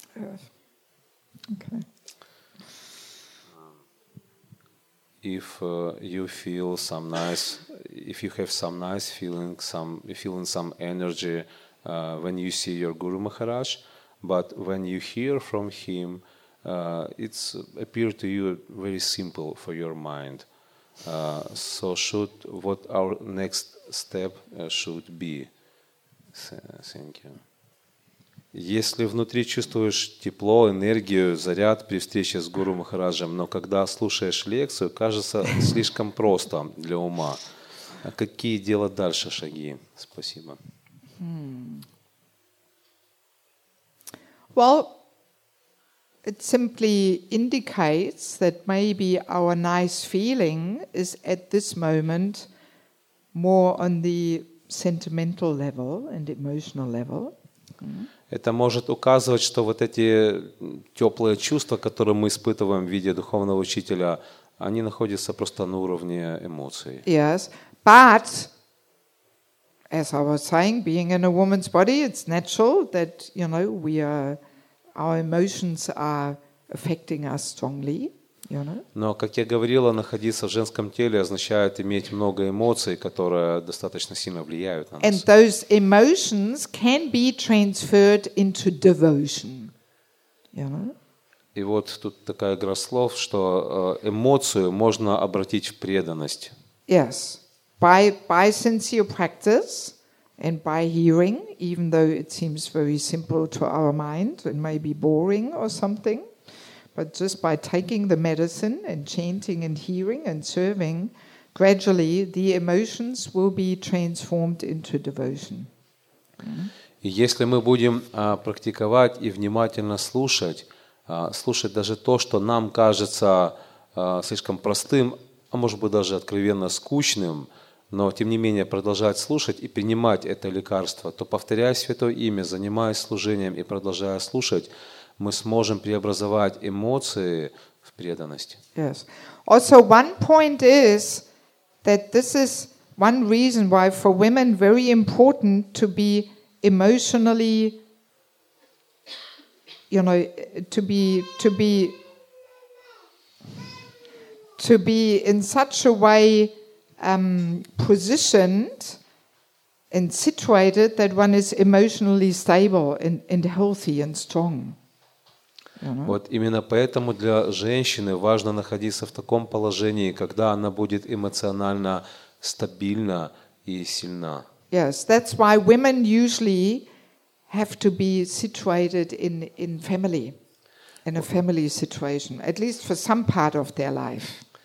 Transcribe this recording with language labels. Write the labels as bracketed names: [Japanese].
[English] Okay. If you feel some nice, if you have some nice feeling, feeling some energy when you see your Guru Maharaj, but when you hear from him, it's appear to you very simple for your mind. So should what our next step should be? Thank you. [Russian] Если внутри чувствуешь тепло, энергию, заряд при встрече с Гуру Махараджем, но когда слушаешь лекцию, кажется слишком просто для ума. А какие делать дальше шаги? Спасибо. [English] Well, it simply indicates that maybe our nice feeling is at this moment more on the sentimental level and emotional level. [Russian] Это может указывать, что вот эти теплые чувства, которые мы испытываем в виде духовного учителя, они находятся просто на уровне эмоций. [English] Yes, but as I was saying, being in a woman's body, it's natural that, you know, we are, our emotions are affecting us strongly. You know? [Russian] Но, как я говорила, находиться в женском теле означает иметь много эмоций, которые достаточно сильно влияют на нас. [English] And those emotions can be transferred into devotion. You know? [Russian] И вот тут такая игра слов, что эмоцию можно обратить в преданность. [English] Yes. By sincere practice and by hearing, even though it seems very simple to our mind, it may be boring or something. But just by taking the medicine and chanting and hearing and serving, gradually the emotions will be transformed into devotion. [Russian] Если мы будем практиковать и внимательно слушать даже то, что нам кажется слишком простым, а может быть даже откровенно скучным, но тем не менее продолжать слушать и принимать это лекарство, то повторяя Святое Имя, занимаясь служением и продолжая слушать, мы сможем преобразовать эмоции в преданность. [English] Yes. Also, one point is that this is one reason why for women very important to be emotionally, you know, to be in such a way positioned and situated that one is emotionally stable and healthy and strong. [Russian] Вот именно поэтому для женщины важно находиться в таком положении, когда она будет эмоционально стабильна и сильна. [English] Yes, that's why women usually have to be situated in family, in a family situation, at least for some part of their life.